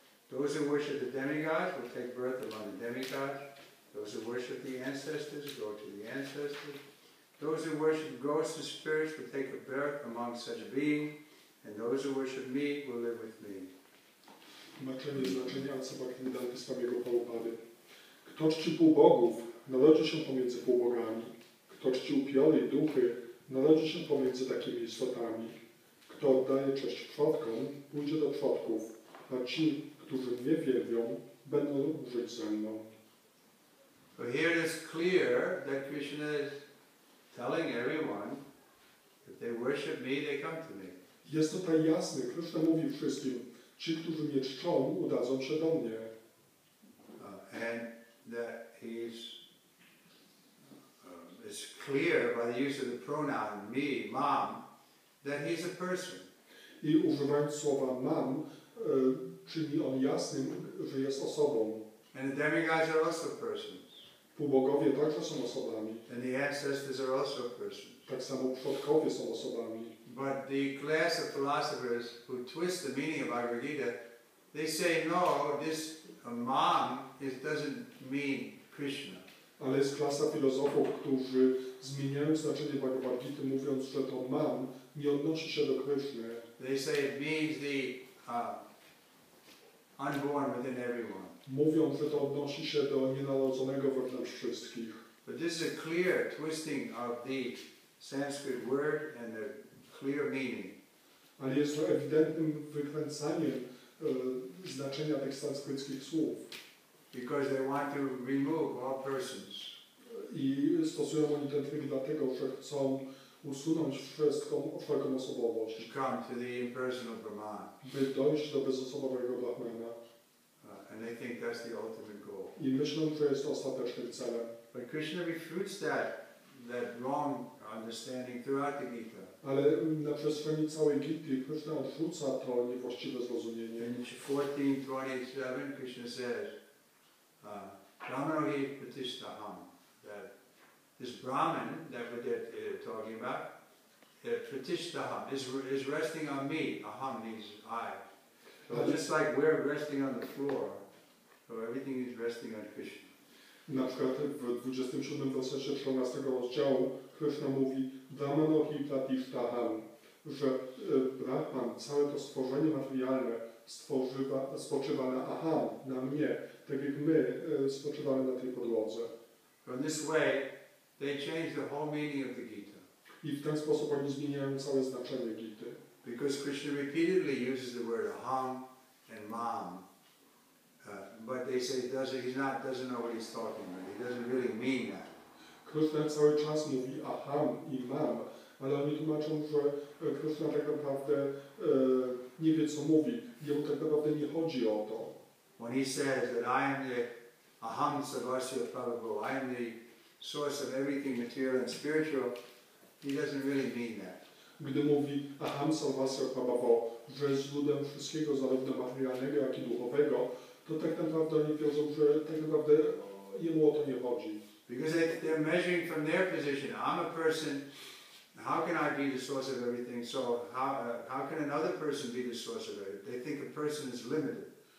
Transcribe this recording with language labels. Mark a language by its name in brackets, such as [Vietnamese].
[English] Those who worship the demigods will take birth among the demigods. Those who worship the ancestors go to the ancestors. Those who worship ghosts and spirits will take a birth among such beings. And those who worship me will live with me. [Polish] Tłumaczenie znaczenia od Bhaktivedanta Swami Prabhupada. Kto czci półbogów, narodzi się pomiędzy półbogami. Kto czci upiory duchy, narodzi się pomiędzy takimi istotami. Kto oddaje cześć przodkom, pójdzie do przodków, a ci, którzy mnie wielbią, będą żyć ze mną. [English] So here it is clear that Krishna is telling everyone that they worship me, they come to me. [Polish] Jest tutaj jasne. Krishna mówi wszystkim, ci, którzy mnie czczą, udadzą się do mnie. [English] And that he's it's clear by the use of the pronoun me, mam, that he's a person. [Polish] I używając słowa mam, czyni on jasnym, że jest osobą. [English] And the demigods are also persons. [Polish] Półbogowie także są osobami. [English] And the ancestors are also persons. [Polish] Tak samo przodkowie są osobami. [English] But the class of philosophers who twist the meaning of Bhagavad Gita, they say no, this mam it doesn't mean Krishna. [Polish] Ale jest klasa filozofów, którzy zmieniają znaczenie Bhagavad Gita, mówiąc, że to mam, nie odnosi się do Krishna. [English] They say it means the unborn within everyone. [Polish] Mówią, że to odnosi się do nienarodzonego wewnątrz wszystkich. [English] But this is a clear twisting of the Sanskrit word and the clear meaning. [Polish] Ale jest to ewidentnym wykręcaniem znaczenia tych sanskryckich słów. [English] Because they want to remove all persons. [Polish] I stosują oni ten trik dlatego, że chcą usunąć wszelką osobowość. [English] To come to the impersonal Brahman. [Polish] By dojść do bezosobowego Brahmana. [English] And they think that's the ultimate goal. [Polish] I myślą, że jest ostatecznym celem. [English] But Krishna refutes that wrong understanding throughout the Gita. [Polish] Ale na przestrzeni całej Gity Krishna odrzuca to niewłaściwe zrozumienie. [English] In 14:27 Krishna says, [Sanskrit] Brahmanohi pratishtaham. [English] That this Brahman that we're talking about, pratishtaham, is resting on me. Aham means I. So just like we're resting on the floor, so everything is resting on Krishna. [Polish] Na przykład w 27 wersecie 13 rozdziału Krishna mówi [Sanskrit] Brahmanohi pratishtaham, [Polish] że Brahman, całe to stworzenie materialne, spoczywa na aham, na mnie. Tak jak my spoczywamy na tej podłodze. [English] In this way, they change the whole meaning of the Gita. [Polish] I w ten sposób oni zmieniają całe znaczenie Gity. [English] Because Krishna repeatedly uses the word aham and mam, but they say he doesn't know what he's talking about. He doesn't really mean that. [Polish] Krishna cały czas mówi aham i mam, ale oni tłumaczą, że Krishna tak naprawdę nie wie, co mówi. Jemu tak naprawdę nie chodzi o to. [English] When he says that I am the [Sanskrit] aham sarvasya prabhu, [English] I am the source of everything material and spiritual, he doesn't really mean that. [Polish] Gdy mówi [Sanskrit] aham sarvasya prabhu, [Polish] że jest źródłem wszystkiego, zarówno materialnego, jak i duchowego, to tak naprawdę oni wiedzą, że tak naprawdę jemu o to nie chodzi. [English] Because they're measuring from their position. I'm a person. How can I be the source of everything? So how can another person be the source of everything? They think a person is limited.